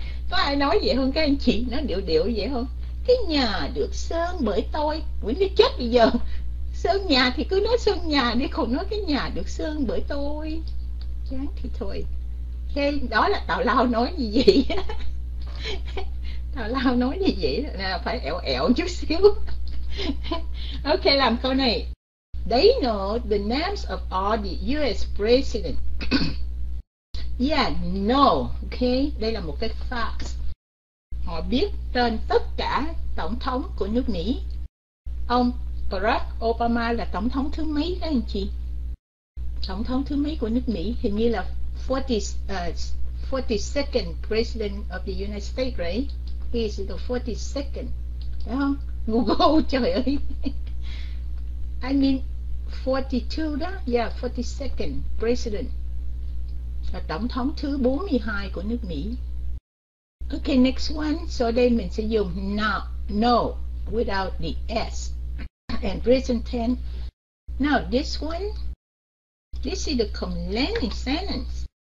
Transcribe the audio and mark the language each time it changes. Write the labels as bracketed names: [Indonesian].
[Vietnamese] Có ai nói vậy không? Các anh chị nói điệu điệu vậy không? Cái nhà được sơn bởi tôi. Nguyễn đi chết bây giờ. Sơn nhà thì cứ nói sơn nhà đi, còn nói cái nhà được sơn bởi tôi. Chán thì thôi. Ok, đó là tào lao nói như vậy. Tào lao nói như vậy là phải ẹo ẹo chút xíu. Ok, làm câu này. [English] They know the names of all the US president. [Vietnamese] Yeah, no. Ok, đây là một cái fact. Họ biết tên tất cả tổng thống của nước Mỹ. Ông Barack Obama là tổng thống thứ mấy đó anh chị? Tổng thống thứ mấy của nước Mỹ? Hình như là [English] 42nd President of the United States, right? He is the 42nd. [Vietnamese] Phải không? Google, trời ơi. [English] I mean 42 đó. Yeah, 42nd President. [Vietnamese] Là tổng thống thứ 42 của nước Mỹ. [English] Ok, next one. So [Vietnamese] đây mình sẽ dùng [English] not, no, without the S. And present tense. Now this one, this is the complaining sentence.